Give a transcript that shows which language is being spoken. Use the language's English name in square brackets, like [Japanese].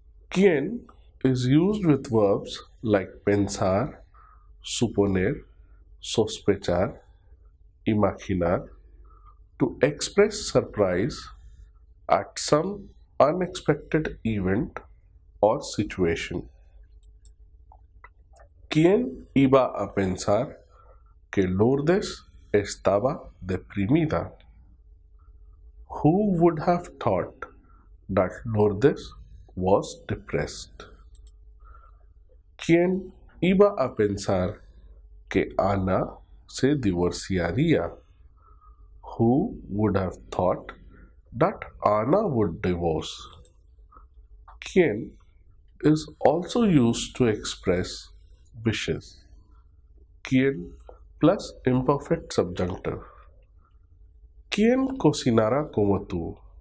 [English] ¿Quién is used with verbs like pensar, suponer, sospechar, imaginar, to express surprise at some unexpected event or situation? [Spanish] ¿Quién iba a pensar que Lourdes estaba deprimida? [English] Who would have thought that Lourdes was depressed? [Spanish] ¿Quién iba a pensar que Ana se divorciaría? [English] Who would have thought that Ana would divorce? ¿Quién is also used to express wishes? ¿Quién plus imperfect subjunctive? [Spanish] ¿Quién cocinará como tú?